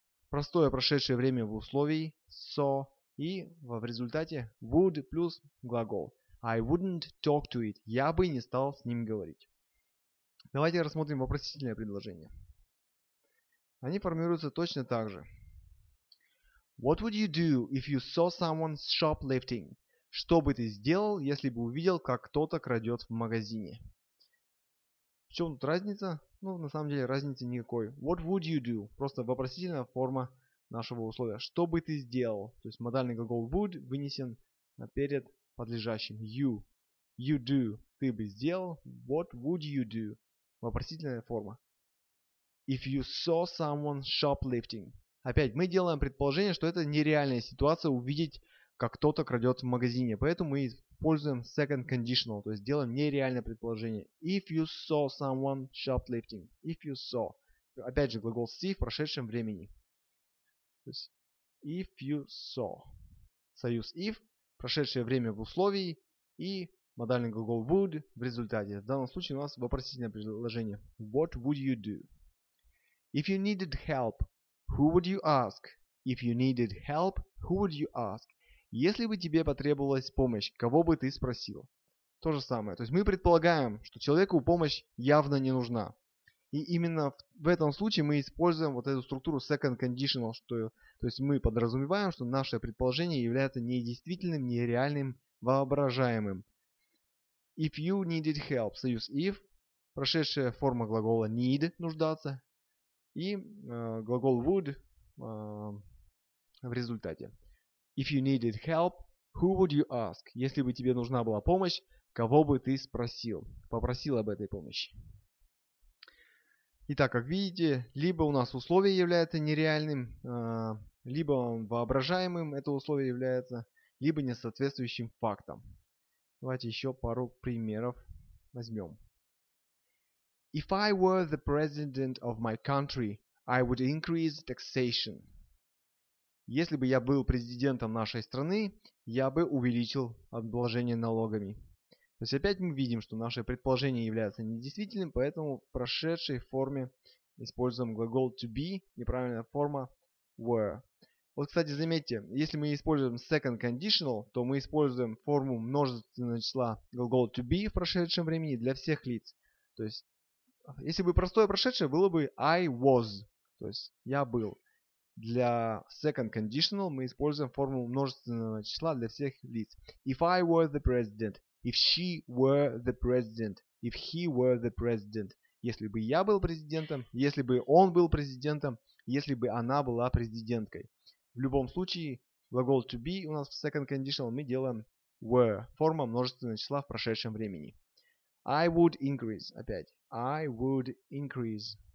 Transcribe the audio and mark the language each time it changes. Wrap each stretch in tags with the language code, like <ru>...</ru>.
<ru>Простое прошедшее время в условии so. И в результате would плюс глагол.</ru> <en>I wouldn't talk to it.</en> <ru>Я бы не стал с ним говорить. Давайте рассмотрим вопросительное предложение. Они формируются точно так же.</ru> <en>What would you do if you saw someone shoplifting?</en> <ru>Что бы ты сделал, если бы увидел, как кто-то крадет в магазине? В чем тут разница? Ну, на самом деле, разницы никакой.</ru> <en>What would you do?</en> <ru>Просто вопросительная форма нашего условия. Что бы ты сделал? То есть модальный глагол would вынесен перед подлежащим.</ru> <en>You. You do.</en> <ru>Ты бы сделал.</ru> <en>What would you do?</en> <ru>Вопросительная форма.</ru> <en>If you saw someone shoplifting.</en> <ru>Опять, мы делаем предположение, что это нереальная ситуация увидеть, как кто-то крадет в магазине. Поэтому мы используем second conditional, то есть делаем нереальное предположение.</ru> <en>If you saw someone shoplifting. If you saw.</en> <ru>Опять же, глагол see в прошедшем времени. То есть,</ru> <en>if you saw.</en> <ru>Союз if, прошедшее время в условии, и модальный глагол would в результате. В данном случае у нас вопросительное предложение.</ru> <en>What would you do? If you needed help, who would you ask? If you needed help, who would you ask?</en> <ru>Если бы тебе потребовалась помощь, кого бы ты спросил? То же самое. То есть мы предполагаем, что человеку помощь явно не нужна. И именно в этом случае мы используем вот эту структуру second conditional. То есть мы подразумеваем, что наше предположение является недействительным, нереальным, воображаемым.</ru> <en>If you needed help,</en> <ru>союз if, прошедшая форма глагола need, нуждаться, и глагол would в результате.</ru> <en>If you needed help, who would you ask?</en> <ru>Если бы тебе нужна была помощь, кого бы ты спросил? Попросил об этой помощи. Итак, как видите, либо у нас условие является нереальным, либо воображаемым это условие является, либо несоответствующим фактом. Давайте еще пару примеров возьмем.</ru> <en>If I were the president of my country, I would increase taxation.</en> <ru>Если бы я был президентом нашей страны, я бы увеличил обложение налогами. То есть опять мы видим, что наше предположение является недействительным, поэтому в прошедшей форме используем глагол to be, неправильная форма were. Вот, кстати, заметьте, если мы используем second conditional, то мы используем форму множественного числа глагол to be в прошедшем времени для всех лиц. То есть, если бы простое прошедшее, было бы</ru> <en>I was,</en> <ru>то есть я был. Для second conditional мы используем форму множественного числа для всех лиц.</ru> <en>If I were the president, if she were the president, if he were the president.</en> <ru>Если бы я был президентом, если бы он был президентом, если бы она была президенткой. В любом случае, глагол to be у нас в second conditional мы делаем were, форма множественного числа в прошедшем времени.</ru> <en>I would increase, опять. I would increase.</en>